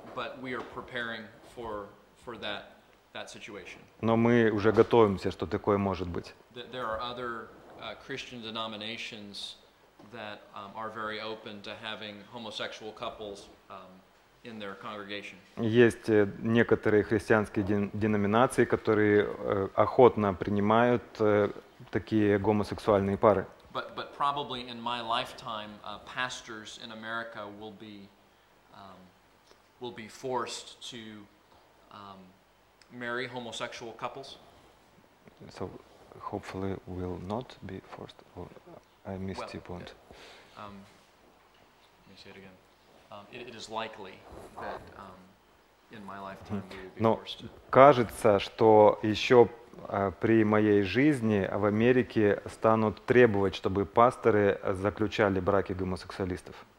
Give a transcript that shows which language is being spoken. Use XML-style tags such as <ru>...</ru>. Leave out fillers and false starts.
<en>But we are preparing for that situation.</en> <ru>Но мы уже готовимся, что такое может быть.</ru> <en>There are other Christian denominations that are very open to having homosexual couples in their congregation.</en> <ru>Есть некоторые христианские деноминации, которые охотно принимают такие гомосексуальные пары.</ru> <en>But probably in my lifetime, pastors in America will be forced to marry homosexual couples. So hopefully will not be forced. I missed your point. Let me say it again. It is likely that in my lifetime we will be forced.</en> <ru>Но кажется, что еще при моей жизни в Америке станут требовать, чтобы пасторы заключали браки гомосексуалистов.</ru>